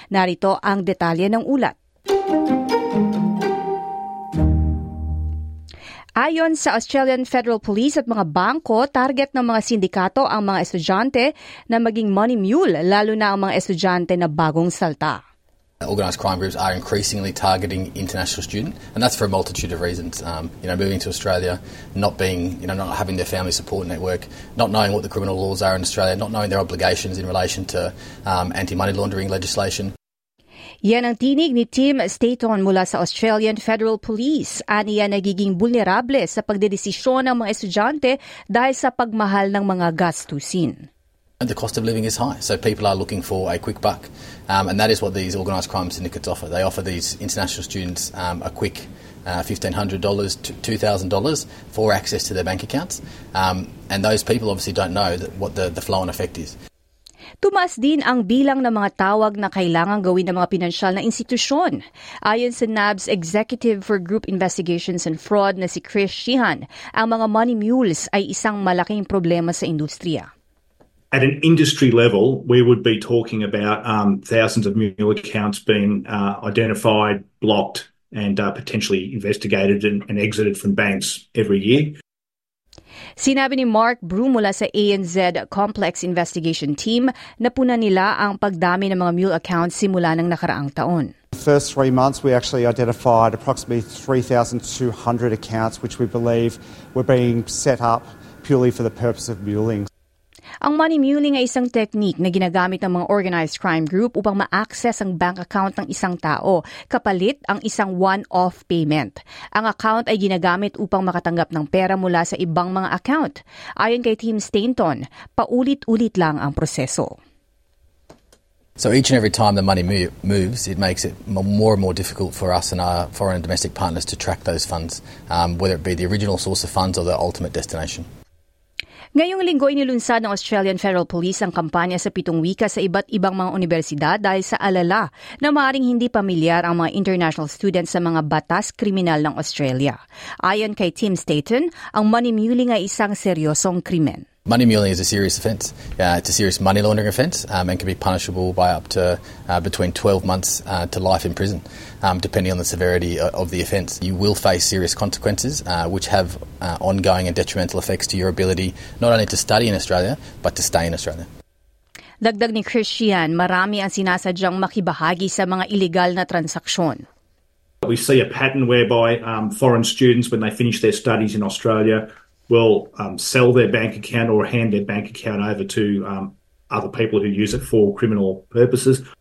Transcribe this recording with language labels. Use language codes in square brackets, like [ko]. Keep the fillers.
[tl] Narito ang detalye ng ulat. Music Ayon sa Australian Federal Police at mga bangko, target ng mga sindikato ang mga estudyante na maging money mule, lalo na ang mga estudyante na bagong salta. [en] Organized crime groups are increasingly targeting international students, and that's for a multitude of reasons. Um, you know, moving to Australia, not being, you know, not having their family support network, not knowing what the criminal laws are in Australia, not knowing their obligations in relation to um, anti-money laundering legislation. [tl] Yan ang tinig ni Tim Staton mula sa Australian Federal Police. Ani yan nagiging vulnerable sa pagdedesisyon ng mga estudyante dahil sa pagmahal ng mga gastusin. [en] And The cost of living is high, so people are looking for a quick buck. Um, and that is what these organized crime syndicates offer. They offer these international students um, a quick uh, $1,500, to $2,000 for access to their bank accounts. Um, and those people obviously don't know that what the, the flow and effect is. [tl] Tumaas din ang bilang ng mga tawag na kailangang gawin ng mga pinansyal na institusyon. Ayon sa NAB's Executive for Group Investigations and Fraud na si Chris Sheehan, ang mga money mules ay isang malaking problema sa industriya. [en] At an industry level, we would be talking about um, thousands of mule accounts being uh, identified, blocked, and uh, potentially investigated and, and exited from banks every year. [tl] Sinabi ni Mark Broom mula sa ANZ Complex Investigation Team na puna nila ang pagdami ng mga mule accounts simula ng nakaraang taon. [en] The first three months, we actually identified approximately 3,200 accounts which we believe were being set up purely for the purpose of muling. [tl] Ang money mulling ay isang technique na ginagamit ng mga organized crime group upang ma-access ang bank account ng isang tao kapalit ang isang one-off payment. Ang account ay ginagamit upang makatanggap ng pera mula sa ibang mga account. Ayon kay Tim Stanton, paulit-ulit lang ang proseso. [en] So each and every time the money moves, it makes it more and more difficult for us and our foreign and domestic partners to track those funds, um, whether it be the original source of funds or the ultimate destination. [tl] Ngayong linggo ay nilunsad ng Australian Federal Police ang kampanya sa pitong wika sa iba't ibang mga universidad dahil sa alala na maaaring hindi pamilyar ang mga international students sa mga batas kriminal ng Australia. Ayon kay Tim Staten, ang money manimuling ay isang seryosong krimen. [en] Money mulling is a serious offence. Uh, it's a serious money laundering offence um, and can be punishable by up to uh, between 12 months uh, to life in prison, um, depending on the severity of the offence. You will face serious consequences, which have ongoing and detrimental effects to your ability not only to study in Australia, but to stay in Australia. [tl] Dagdag ni Christian, marami ang sinasadyang makibahagi sa mga illegal na transaksyon. [en] We see a pattern whereby um, foreign students, when they finish their studies in Australia, will um, sell their bank account or hand their bank account over to um, other people who use it for criminal purposes,